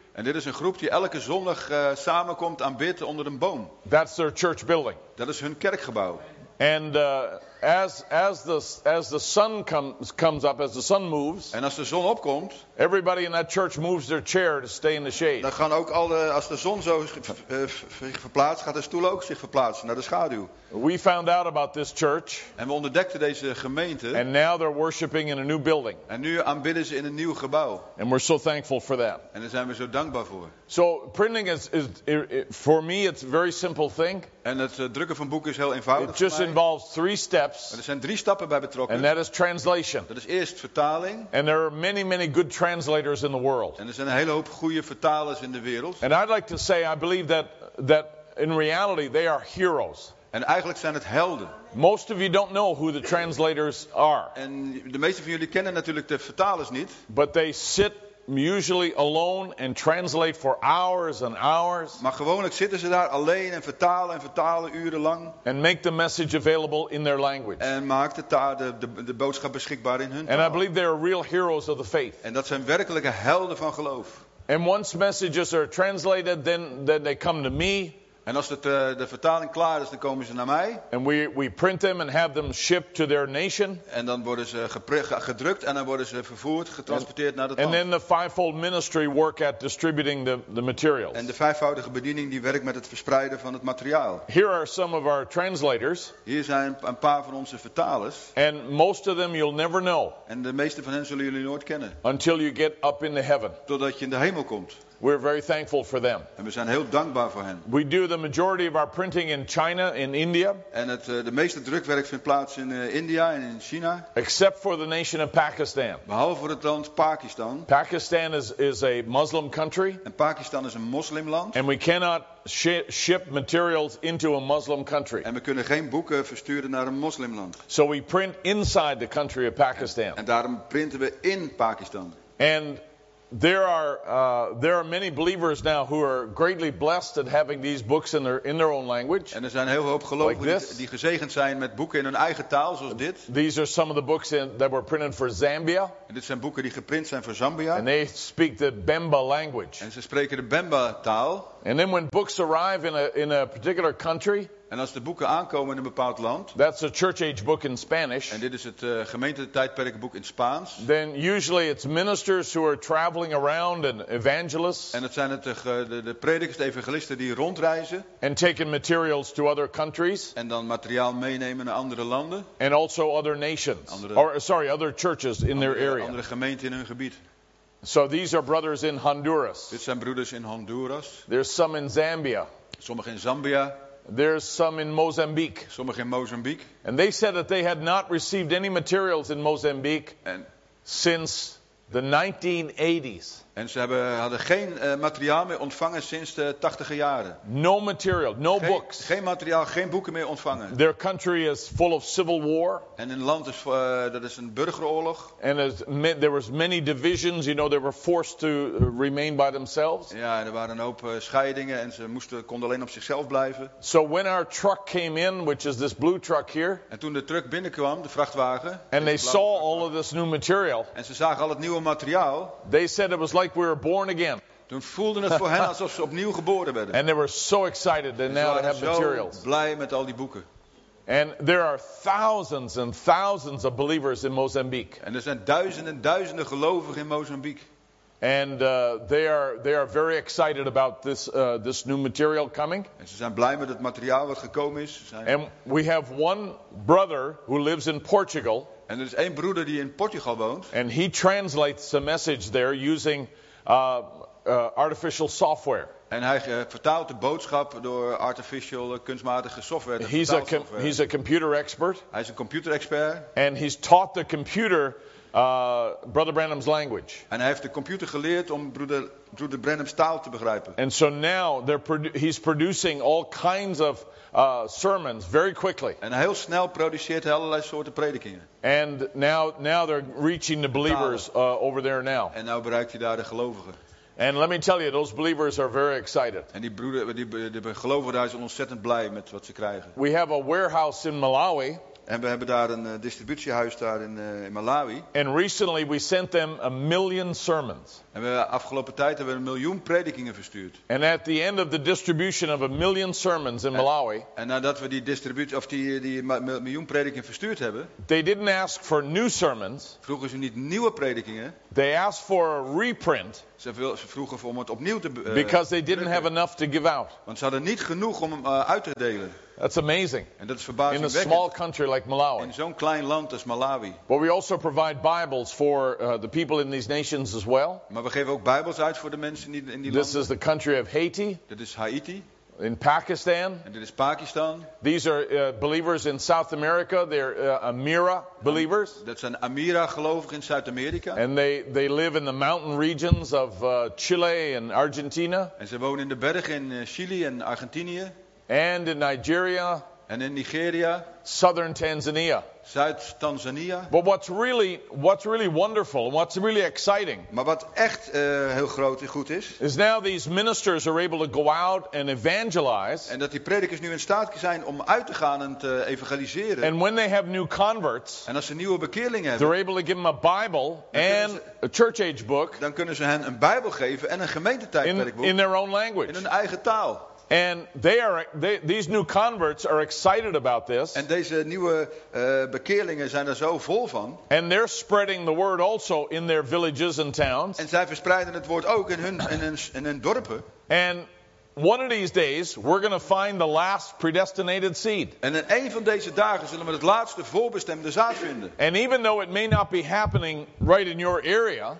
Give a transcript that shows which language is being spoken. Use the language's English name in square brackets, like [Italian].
[Dutch] En dit is een groep die elke zondag samenkomt aan bid onder een boom. [English] That's their church building. [Dutch] Dat is hun kerkgebouw. [English] And as the sun comes up, as the sun moves. [Dutch] En als de zon opkomt. [English] Everybody in that church moves their chair to stay in the shade. [Dutch] Dan gaan ook alle, als de zon zo zich verplaatst, gaat de stoel ook zich verplaatsen naar de schaduw. [English] We found out about this church. [Dutch] En we ontdekten deze gemeente. [English] And now they're worshiping in a new building. [Dutch] En nu aanbidden ze in een nieuw gebouw. [English] And we're so thankful for that. [Dutch] En daar zijn we zo dankbaar voor. [English] So printing is for me it's a very simple thing. [Dutch] En het drukken van boeken is heel eenvoudig. [English] It just involves three steps. [Dutch] En er zijn drie stappen bij betrokken. [English] And that is translation. [Dutch] Dat is eerst vertaling. [English] And there are many, many good translators in the world. [Dutch] En er zijn een hele hoop goede vertalers in de wereld. [English] And I'd like to say I believe that in reality they are heroes. [Dutch] En eigenlijk zijn het helden. [English] Most of you don't know who the translators are. [Dutch] En de meeste van jullie kennen natuurlijk de vertalers niet. [English] But they sit usually alone and translate for hours and hours. [Dutch] Maar gewoonlijk zitten ze daar alleen en vertalen urenlang. [English] And make the message available in their language. [Dutch] En maakt de boodschap beschikbaar in hun taal. [English] And I believe they are real heroes of the faith. [Dutch] En dat zijn werkelijke helden van geloof. [English] And once messages are translated, then they come to me. [Dutch] En als de vertaling klaar is, dan komen ze naar mij. [English] And we print them and have them shipped to their nation. [Dutch] En dan worden ze gedrukt en dan worden ze vervoerd, getransporteerd naar het land. [English] And then the fivefold ministry work at distributing the materials. [Dutch] En de vijfvoudige bediening die werkt met het verspreiden van het materiaal. [English] Here are some of our translators. [Dutch] Hier zijn een paar van onze vertalers. [English] And most of them you'll never know. [Dutch] En de meeste van hen zullen jullie nooit kennen. [English] Until you get up in the heaven. [Dutch] Totdat je in de hemel komt. [English] We're very thankful for them. [Dutch] En we zijn heel dankbaar voor hen. [English] We do the majority of our printing in China, in India. [Dutch] En de meeste drukwerk vindt plaats in India en in China. [English] Except for the nation of Pakistan. [Dutch] Behalve voor het land Pakistan. [English] Pakistan is a Muslim country. [Dutch] En Pakistan is een moslimland. [English] And we cannot ship materials into a Muslim country. [Dutch] En we kunnen geen boeken versturen naar een moslimland. [English] So we print inside the country of Pakistan. [Dutch] En daarom printen we in Pakistan. [English] And There are many believers now who are greatly blessed at having these books in their own language. [Dutch] En er zijn heel hoop gelovigen die gezegend zijn met boeken in hun eigen taal, zoals dit. [English] These are some of the books that were printed for Zambia. [Dutch] En dit zijn boeken die geprint zijn voor Zambia. [English] And they speak the Bemba language. [Dutch] En ze spreken de Bemba taal. [English] And then when books arrive in a particular country. [Dutch] En als de boeken aankomen in een bepaald land. [English] That's a church age book in Spanish. [Dutch] En dit is het gemeentetijdperkboek in Spaans. [English] Then usually it's ministers who are traveling around and evangelists. [Dutch] En het zijn de predikers, de evangelisten die rondreizen. [English] And taking materials to other countries. [Dutch] En dan materiaal meenemen naar andere landen. [English] And also other nations. Other churches in their area. [Dutch] Andere gemeenten in hun gebied. [English] So these are brothers in Honduras. [Dutch] Dit zijn broeders in Honduras. [English] There's some in Zambia. [Dutch] Sommigen in Zambia. [English] There's some in Mozambique. [Dutch] Sommigen in Mozambique. [English] And they said that they had not received any materials in Mozambique since the 1980s. [Dutch] En ze hadden geen materiaal meer ontvangen sinds de 80e jaren. [English] No material, no books. [Dutch] Geen materiaal, geen boeken meer ontvangen. [English] Their country is full of civil war. [Dutch] En hun land is dat is een burgeroorlog. [English] And there was many divisions, you know, they were forced to remain by themselves. [Dutch] Ja, er waren een hoop scheidingen en konden alleen op zichzelf blijven. [English] So when our truck came in, which is this blue truck here. [Dutch] En toen de truck binnenkwam, de vrachtwagen. [English] And they saw all of this new material. [Dutch] En ze zagen al het nieuwe materiaal. [English] They said it was like we were born again. [Dutch] Toen voelden het voor hen alsof ze opnieuw geboren werden. [English] And they were so excited that now they have materials. [Dutch] Zo blij met al die boeken. [English] And there are thousands and thousands of believers in Mozambique. [Dutch] En er zijn duizenden en duizenden gelovigen in Mozambique. [English] And they are very excited about this new material coming. [Dutch] En ze zijn blij met het materiaal wat gekomen is. [English] And we have one brother who lives in Portugal. [Dutch] En er is één broeder die in Portugal woont. [English] And he translates the message there using artificial software. [Dutch] En hij vertaalt de boodschap door artificial kunstmatige software. [English] He's a computer expert. [Dutch] Hij is een computerexpert. [English] And he's taught the computer Brother Branham's language. [Dutch] En hij heeft de computer geleerd om broeder Branham's taal te begrijpen. [English] And so now he's producing all kinds of sermons very quickly. [Dutch] En heel snel produceert hij allerlei soorten predikingen. [English] And now they're reaching the believers over there now. [Dutch] En nou bereikt hij daar de gelovigen. [English] And let me tell you, those believers are very excited. [Dutch] En die gelovigen daar zijn ontzettend blij met wat ze krijgen. [English] We have a warehouse in Malawi. [Dutch] En we hebben daar een distributiehuis daar in Malawi. [English] And recently we sent them a million sermons. [Dutch] En we afgelopen tijd hebben we een miljoen predikingen verstuurd. [English] And at the end of the distribution of a million sermons in Malawi. [Dutch] En nadat we miljoen predikingen verstuurd hebben. [English] They didn't ask for new sermons. [Dutch] Vroegen ze niet nieuwe predikingen. [English] They asked for a reprint. [Dutch] Ze vroegen om het opnieuw te drukken. [English] Because they didn't have enough to give out. [Dutch] Want ze hadden niet genoeg om hem uit te delen. [English] That's amazing. [Dutch] En dat is verbazingwekkend. [English] In a small country like Malawi. [Dutch] In zo'n klein land als Malawi. [English] But we also provide Bibles for the people in these nations as well. [Dutch] Maar we geven ook Bibels uit voor de mensen in die landen. [English] This is the country of Haiti. [Dutch] Dit is Haiti. [English] In Pakistan. [Dutch] En dit is Pakistan. [English] These are believers in South America. They're Amira believers. [Dutch] Dat zijn Amira gelovigen in Zuid-Amerika. [English] And they live in the mountain regions of Chile and Argentina. [Dutch] En ze wonen in de bergen in Chili en Argentinië. [English] And in Nigeria. And in Nigeria, southern Tanzania. [Dutch] Zuid Tanzania. [English] But what's really wonderful and what's really exciting? [Dutch] Maar wat echt heel groot en goed is, [English] is now these ministers are able to go out and evangelize. [Dutch] En dat die predikers nu in staat zijn om uit te gaan en te evangeliseren. [English] And when they have new converts, [Dutch] en als ze nieuwe bekeerlingen hebben, [English] they're able to give them a Bible and a church age book. [Dutch] Dan kunnen ze hen een Bijbel geven en een gemeentetijdperkboek. [English] In their own language. [Dutch] In hun eigen taal. [English] And these new converts are excited about this. [Dutch] En deze nieuwe bekeerlingen zijn er zo vol van. [English] And they're spreading the word also in their villages and towns. [Dutch] En zij verspreiden het woord ook in hun dorpen. [English] And one of these days we're going to find the last predestinated seed. [Dutch] En in een van deze dagen zullen we het laatste voorbestemde zaad vinden. [English] And even though it may not be happening right in your area,